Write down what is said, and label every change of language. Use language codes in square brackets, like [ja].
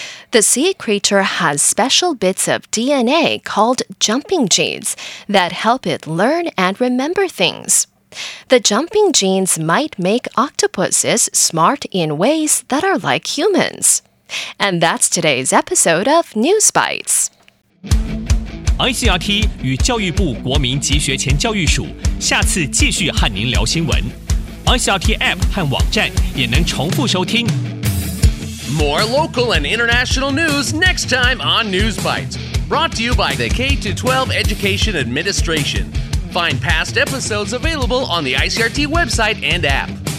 [en] The sea creature has special bits of DNA called jumping genes that help it learn and remember things. The jumping genes might make octopuses smart in ways that are like humans. And that's today's episode of News Bites. [zh] ICRT 与教育部国民及学前教育署下次继续和您聊新闻。 ICRT App 和网站也能重复收听。 [en] More local and international news next time on News Bites, brought to you by the K-12 Education Administration. Find past episodes available on the ICRT website and app.